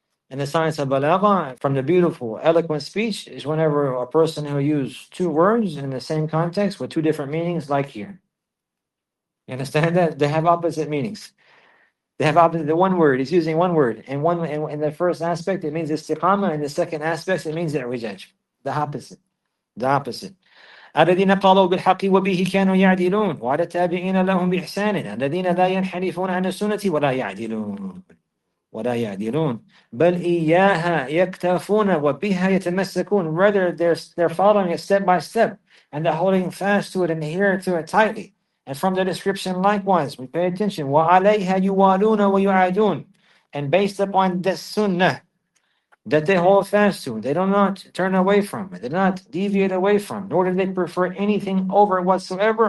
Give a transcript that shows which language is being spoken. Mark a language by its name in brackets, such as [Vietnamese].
[English] And the science of balagha, from the beautiful, eloquent speech, is whenever a person who uses two words in the same context with two different meanings, like here. You understand that? They have opposite meanings. They have opposite, the one word, he's using one word. And one in the first aspect, it means istiqama. In the second aspect, it means irwijaj. The opposite. The opposite. [Arabic] الذين قالوا بالحق وبه كانوا يعدلون وعلى التابعين لهم بإحسان الذين لا ينحرفون عن السنة ولا يعدلون. ولا يعدلون بل إياها يكتفون وبها يتمسكون. [English] Rather, they're following it step by step, and they're holding fast to it and adhere to it tightly. And from the description, likewise, we pay attention. [Arabic] وعليها يوالون ويعادون. [English] And based upon the sunnah that they hold fast to, they do not turn away from it, they do not deviate away from, nor do they prefer anything over whatsoever.